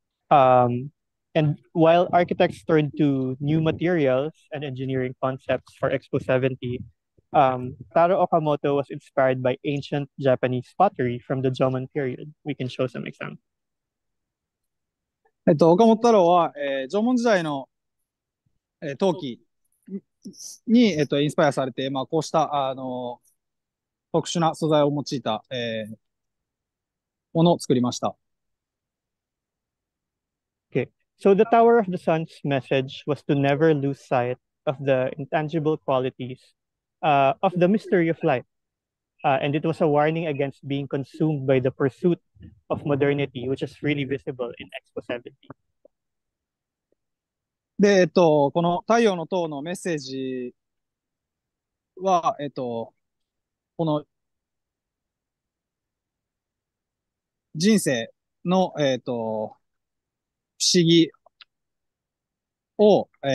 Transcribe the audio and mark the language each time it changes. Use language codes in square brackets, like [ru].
[en] And while architects turned to new materials and engineering concepts for Expo 70, Taro Okamoto was inspired by ancient Japanese pottery from the Jomon period. We can show some examples. [ja] 岡本太郎は、縄文時代の、陶器に、インスパイアされて、まあ、こうした特殊な素材を用いた、ものを作りました。 [en] Okay. So the Tower of the Sun's message was to never lose sight of the intangible qualities, of the mystery of life. And it was a warning against being consumed by the pursuit of modernity, which is really visible in Expo 70. [ja] で、この太陽の塔のメッセージは、この人生の、不思議を、